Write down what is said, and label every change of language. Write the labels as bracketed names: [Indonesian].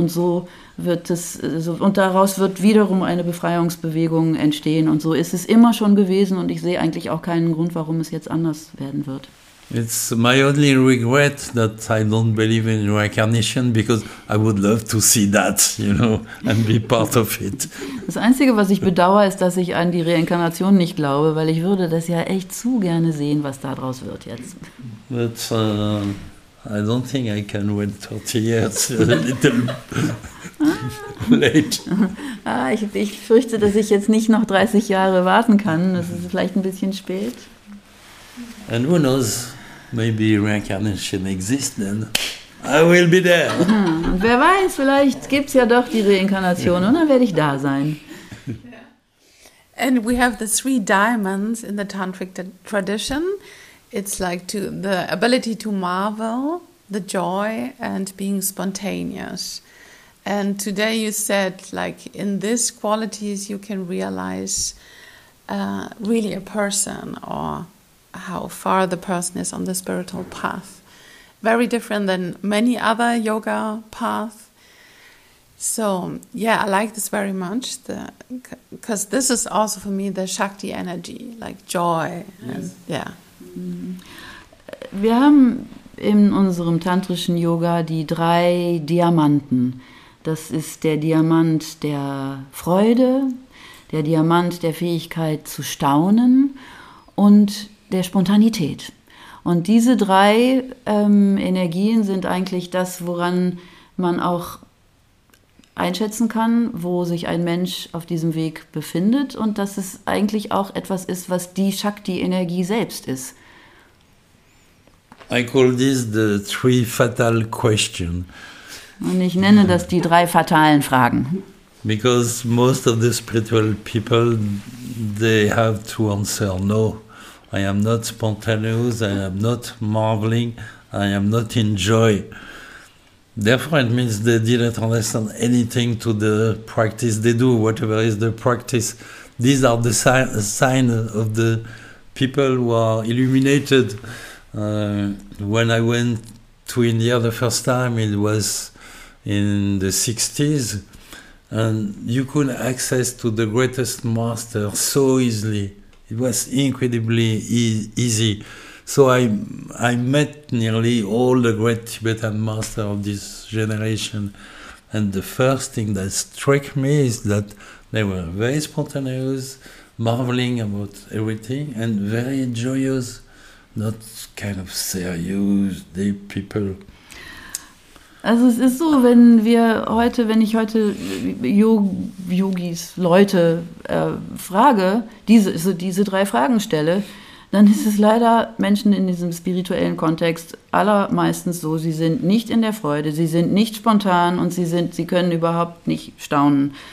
[German] Und so wird es, und daraus wird wiederum eine Befreiungsbewegung entstehen. Und so ist es immer schon gewesen und ich sehe eigentlich auch keinen Grund, warum es jetzt anders werden wird. [English] It's my only regret that I don't believe in reincarnation, because I would love to see that, you know, and be part of it. [German] Das Einzige, was ich bedauere, ist, dass ich an die Reinkarnation nicht glaube, weil ich würde das ja echt zu gerne sehen, was daraus wird jetzt. [English] But I don't think I can wait 30 years, a little late. [German] Ich fürchte, dass ich jetzt nicht noch 30 Jahre warten kann. Das ist vielleicht ein bisschen spät. [English] And who knows, maybe reincarnation exists then. I will be there. [German] Und wer weiß, vielleicht gibt's ja doch die Reinkarnation und dann werde ich da sein. [English] And we have the three diamonds in the tantric tradition. It's like the ability to marvel, the joy and being spontaneous. And today you said, like, in these qualities you can realize really a person or how far the person is on the spiritual path. Very different than many other yoga paths. So, yeah, I like this very much. Because this is also for me the Shakti energy, like joy. Yes. And, yeah. [German] Wir haben in unserem tantrischen Yoga die drei Diamanten. Das ist der Diamant der Freude, der Diamant der Fähigkeit zu staunen und der Spontanität. Und diese drei Energien sind eigentlich das, woran man auch einschätzen kann, wo sich ein Mensch auf diesem Weg befindet und dass es eigentlich auch etwas ist, was die Shakti-Energie selbst ist. [English] I call this the three fatal questions. [German] Und ich nenne das die drei fatalen Fragen. [English] Because most of the spiritual people, they have to answer no. I am not spontaneous, I am not marveling, I am not in joy. Therefore, it means they didn't understand anything to the practice they do, whatever is the practice. These are the signs of the people who are illuminated. When I went to India the first time, it was in the 60s, and you could access to the greatest master so easily. It was incredibly easy. So I met nearly all the great Tibetan masters of this generation. And the first thing that struck me is that they were very spontaneous, marveling about everything, and very joyous, not kind of serious, deep people. [German] Also es ist so, wenn ich heute Yogis, Leute frage, diese drei Fragen stelle, dann ist es leider Menschen in diesem spirituellen Kontext allermeistens so, sie sind nicht in der Freude, sie sind nicht spontan und sie können überhaupt nicht staunen.